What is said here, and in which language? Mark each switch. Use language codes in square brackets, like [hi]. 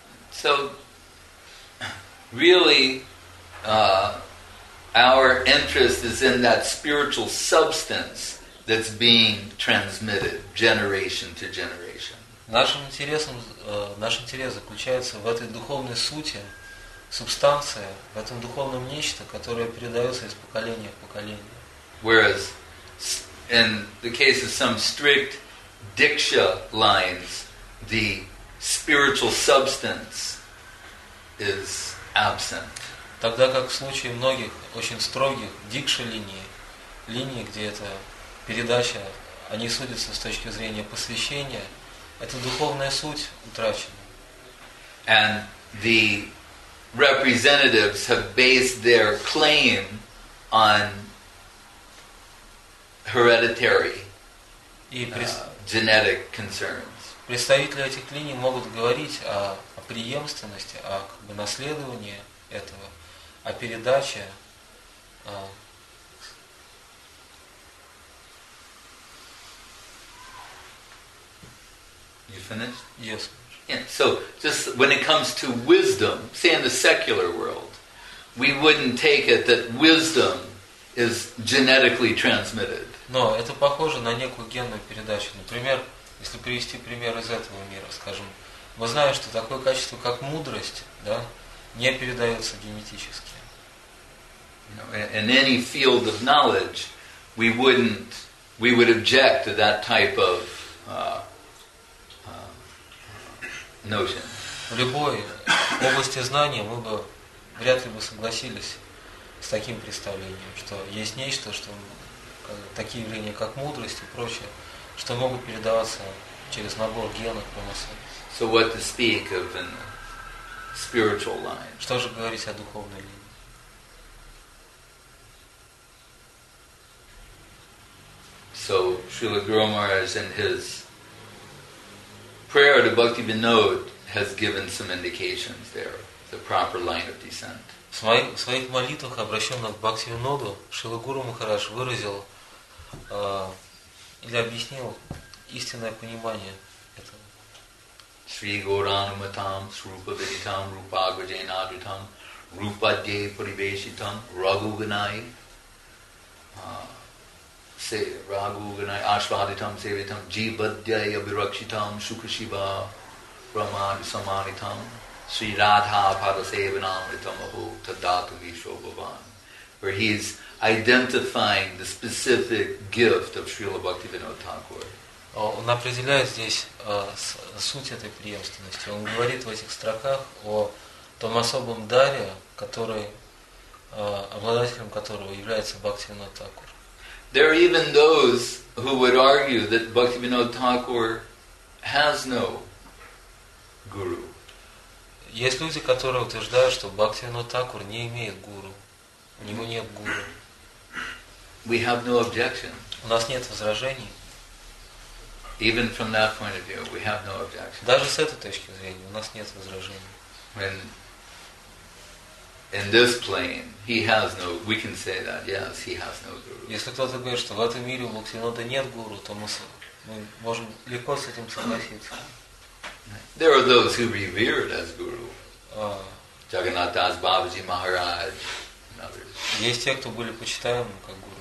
[en] So really our interest is in that spiritual substance that's being transmitted generation to generation. [ru] Наш интерес заключается в этой духовной сути, субстанция, в этом духовном нечто, которое передается из поколения в поколение. [en] Whereas in the case of some strict diksha lines, the spiritual substance is absent. [ru] Тогда как в случае многих очень строгих дикша линий, линий, где эта передача они судятся с точки зрения посвящения, эта духовная суть утрачена. [en] And the representatives have based their claim on hereditary genetic concerns. [ru] Представители этих клиник могут говорить о преемственности, о как бы наследовании этого, о передаче. [en] You finished? Yes. Yeah, so just when it comes to wisdom, say in the secular world, we wouldn't take it that wisdom is genetically transmitted. [ru] Но это похоже на некую генную передачу. Например, если привести пример из этого мира, скажем, мы знаем, что такое качество, как мудрость, да, не передается генетически. [en] In any field of knowledge, we would object to that type of notion. [ru] В любой области знания мы бы вряд ли бы согласились с таким представлением, что есть нечто, что такие явления, как мудрость и прочее, что могут передаваться через набор генов по массе. [en] So what to speak of in the spiritual line? [ru] Что же говорить о духовной линии? [en] So Srila Guru Maharaj in his prayer to Bhaktivinod has given some indications there, the proper line of descent. [ru] В своих молитвах, обращенных к Бхактивиноду, Шрила Гуру Махарадж выразил или объяснил истинное понимание этого. [sa] Шри Гауранаматам, Срупавиритам, Рупагаджайнадритам, Рупадье Паривешитам, Рагуганай. Say Raghu Ganai Ashvaditam Sevitam Jibadhyaya Virakshitam Shukrashiva Brahmad Samanitam Sri Radha Padasevanamritam Aho Tadatu Visho Bhavan. [en] Where he is identifying the specific gift of Srila Bhaktivinoda Thakur. [ru] Он определяет здесь суть этой преемственности. Он говорит в этих строках о том особом даре, который обладателем которого является Бхактивинода Такур. [en] There are even those who would argue that Bhaktivinoda Thakur has no guru. [ru] Есть люди, которые утверждают, что Бхактивинода Такур не имеет гуру. У него нет гуру. [en] We have no objection. [ru] У нас нет возражений. [en] Even from that point of view, we have no objection. [ru] Даже с этой точки зрения у нас нет возражений. [en] When in this plane, he has no. We can say that yes, he has no guru. [ru] Если кто-то говорит, что в этом мире у Бхактивинода нет гуру, то мы можем легко с этим согласиться. [en] There are those who revered as guru. Jagannath Das Babaji Maharaj and others. [ru] Есть те, кто были почитаемы как гуру.